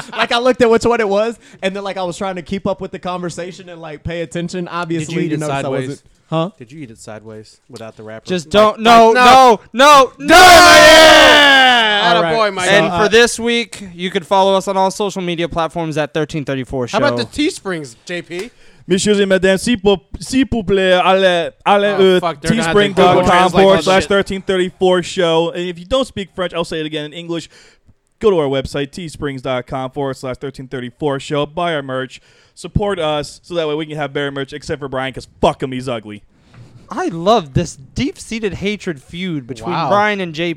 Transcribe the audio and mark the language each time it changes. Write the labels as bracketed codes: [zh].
[en] Like, I looked at which one it was, and then, like, I was trying to keep up with the conversation and, like, pay attention. Obviously, did you know sideways? I wasn't. Huh? Did you eat it sideways without the wrapper? Just don't. Like, no. Yeah! Right. Boy, Mike. And for this week, you can follow us on all social media platforms at 1334 Show. How about the Teesprings, JP? [fr] Messieurs et mesdames, s'il vous plaît, allez teespring.com/1334 Show. [en] And if you don't speak French, I'll say it again in English. Go to our website, teesprings.com/1334 Show. Buy our merch. Support us so that way we can have better merch, except for Brian, because fuck him, he's ugly. I love this deep-seated hatred feud between Brian and JP.